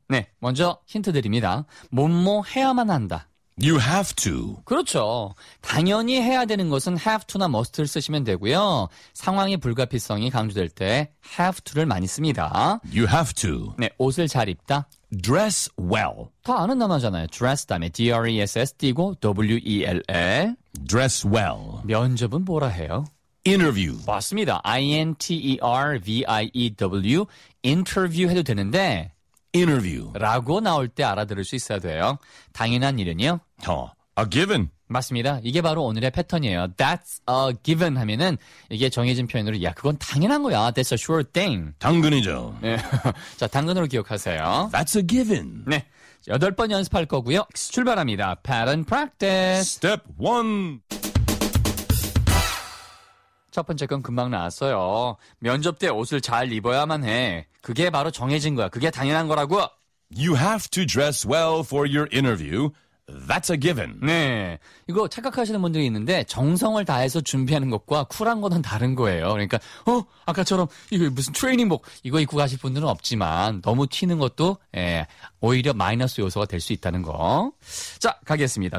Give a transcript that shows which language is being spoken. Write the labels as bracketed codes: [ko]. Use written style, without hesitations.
[ko] 네, 먼저 힌트 드립니다. 뭐뭐 해야만 한다. [en] You have to. [ko] 그렇죠. 당연히 해야 되는 것은 [en] have to [ko] 나 must를 쓰시면 되고요. 상황의 불가피성이 강조될 때 [en] have to [ko] 를 많이 씁니다. [en] You have to. [ko] 네, 옷을 잘 입다. [en] Dress well. [ko] 다 아는 단어잖아요. Dress 다음에 D-R-E-S-S-D고 W-E-L-L. [en] Dress well. [ko] 면접은 뭐라 해요? [en] Interview. [ko] 맞습니다. I-N-T-E-R-V-I-E-W. Interview 해도 되는데 Interview라고 나올 때 알아들을 수 있어야 돼요. 당연한 일은요? [en] A given. [ko] 맞습니다. 이게 바로 오늘의 패턴이에요. [en] That's a given [ko] 하면은 이게 정해진 표현으로 야 그건 당연한 거야. [en] That's a sure thing. [ko] 당근이죠. 네. 자 당근으로 기억하세요. [en] That's a given. [ko] 네. 여덟 번 연습할 거고요. 출발합니다. [en] Pattern practice. Step one. [ko] 첫 번째 건 금방 나왔어요. 면접 때 옷을 잘 입어야만 해. 그게 바로 정해진 거야. 그게 당연한 거라고. [en] You have to dress well for your interview. That's a given. [ko] 네. 이거 착각하시는 분들이 있는데 정성을 다해서 준비하는 것과 쿨한 거는 다른 거예요. 그러니까 아까처럼 이거 무슨 트레이닝복 이거 입고 가실 분들은 없지만 너무 튀는 것도 예, 오히려 마이너스 요소가 될 수 있다는 거. 자, 가겠습니다.